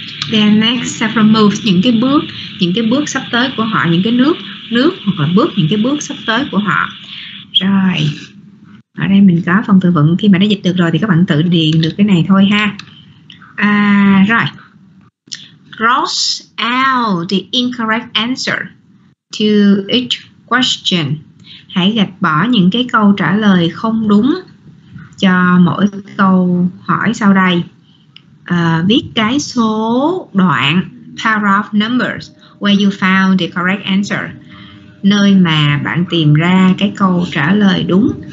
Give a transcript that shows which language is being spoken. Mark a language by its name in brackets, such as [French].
[English] Then next several moves, [Vietnamese] những cái bước sắp tới của họ, những cái nước hoặc là bước, những cái bước sắp tới của họ. Rồi, ở đây mình có phần từ vựng, khi mà đã dịch được rồi thì các bạn tự điền được cái này thôi ha. Rồi, [English] cross out the incorrect answer to each question. [Vietnamese] Hãy gạch bỏ những cái câu trả lời không đúng cho mỗi câu hỏi sau đây. Viết cái số đoạn, [English] paragraph numbers, where you found the correct answer, [Vietnamese] nơi mà bạn tìm ra cái câu trả lời đúng.